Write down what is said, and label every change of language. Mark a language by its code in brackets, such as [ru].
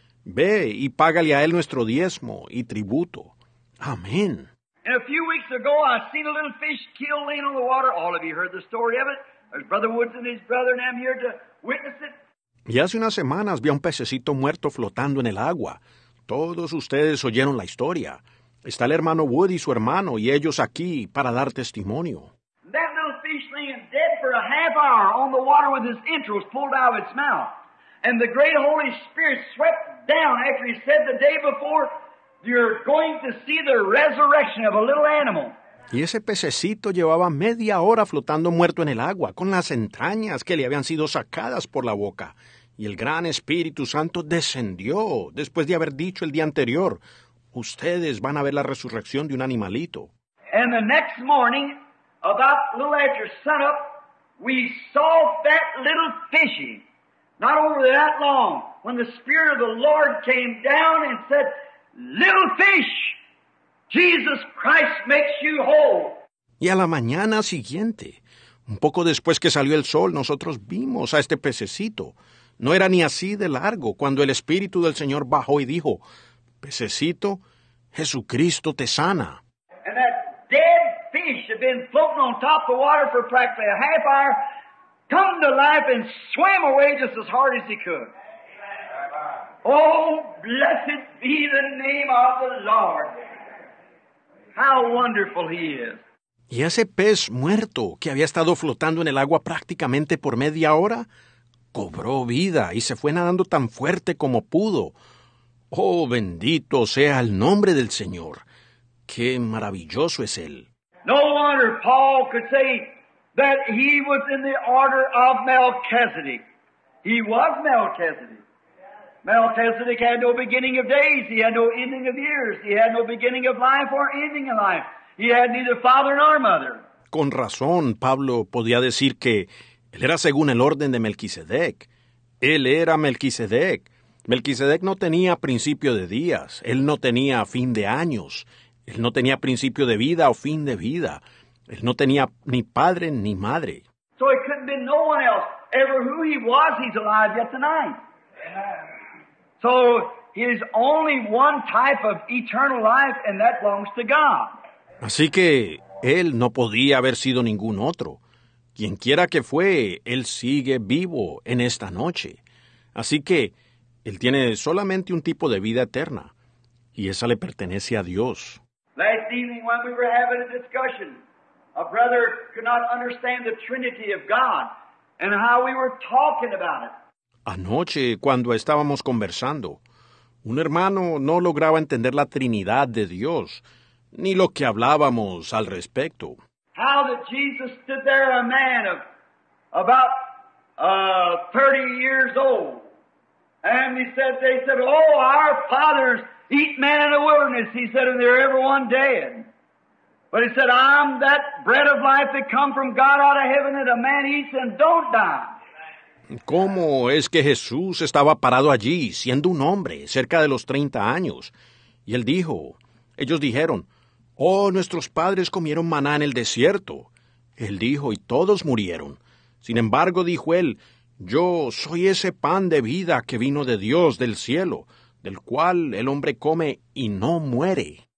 [es] Ve y págale a él nuestro diezmo y tributo. Amén. [en] And a few weeks ago, I seen a little fish killed laying on the water. All of you heard the story of it. There's Brother Woods and his brother, and I'm here to witness it. [es] Y hace unas semanas vi a un pececito muerto flotando en el agua. Todos ustedes oyeron la historia. Está el hermano Wood y su hermano, y ellos aquí para dar testimonio. [en] That little fish laying dead for a half hour on the water with his entrails pulled out of its mouth. And the great Holy Spirit swept down after he said the day before, you're going to see the resurrection of a little animal. [es] Y ese pececito llevaba media hora flotando muerto en el agua, con las entrañas que le habían sido sacadas por la boca. Y el gran Espíritu Santo descendió después de haber dicho el día anterior, ustedes van a ver la resurrección de un animalito. [en] And the next morning, about a little after sunup, we saw that little fishy. Not over that long, when the Spirit of the Lord came down and said, little fish, Jesus Christ makes you whole. [es] Y a la mañana siguiente, un poco después que salió el sol, nosotros vimos a este pececito. No era ni así de largo cuando el Espíritu del Señor bajó y dijo, pececito, Jesucristo te sana. [en] And that dead fish had been floating on top of the water for practically a half hour, come to life and swam away just as hard as he could. Oh, blessed be the name of the Lord. How wonderful he is. [es] Y ese pez muerto que había estado flotando en el agua prácticamente por media hora, cobró vida y se fue nadando tan fuerte como pudo. Oh, bendito sea el nombre del Señor. Qué maravilloso es Él. [en] No wonder Paul could say that he was in the order of Melchizedek. He was Melchizedek. Melchizedek had no beginning of days. He had no ending of years. He had no beginning of life or ending of life. He had neither father nor mother. [es] Con razón, Pablo podía decir que él era según el orden de Melquisedec. Él era Melquisedec. Melquisedec no tenía principio de días. Él no tenía fin de años. Él no tenía principio de vida o fin de vida. Él no tenía ni padre ni madre. [en] So it couldn't be no one else. Ever who he was, he's alive yet tonight. So he is only one type of eternal life, and that belongs to God. [es] Así que él no podía haber sido ningún otro. Quien quiera que fue, él sigue vivo en esta noche. Así que él tiene solamente un tipo de vida eterna, y esa le pertenece a Dios. [en] Last evening when we were having a discussion, a brother could not understand the Trinity of God and how we were talking about it. [es] Anoche, cuando estábamos conversando, un hermano no lograba entender la Trinidad de Dios, ni lo que hablábamos al respecto. [en] How that Jesus stood there, a man of about 30 years old, and he said, they said, oh, our fathers eat man in the wilderness, he said, and they're everyone dead. But he said, I'm that bread of life that come from God out of heaven that a man eats and don't die. [es] ¿Cómo es que Jesús estaba parado allí, siendo un hombre, cerca de los 30 años? Y él dijo, ellos dijeron, oh, nuestros padres comieron maná en el desierto. Él dijo, y todos murieron. Sin embargo, dijo él, yo soy ese pan de vida que vino de Dios del cielo, del cual el hombre come y no muere.